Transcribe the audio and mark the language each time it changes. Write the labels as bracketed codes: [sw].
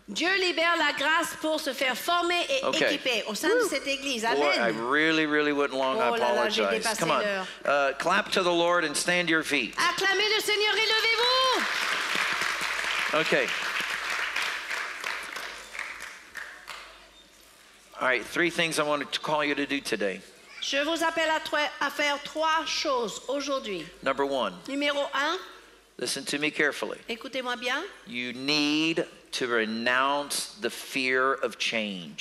[fr] Dieu libère la grâce pour se faire former et okay. équiper au sein Woo. De cette église. Amen. [en] Boy, I really, really went long. Oh, I apologize. [fr] Là, [en] come on. Clap to the Lord and stand to your feet. [fr] Acclamez le Seigneur et levez-vous. [en] Okay. All right. Three things I wanted to call you to do today. [fr] Je vous appelle à faire trois choses aujourd'hui. [en] Number one. [fr] Numéro un. [en] Listen to me carefully. [fr] Écoutez-moi bien. [en] You need to renounce the fear of change.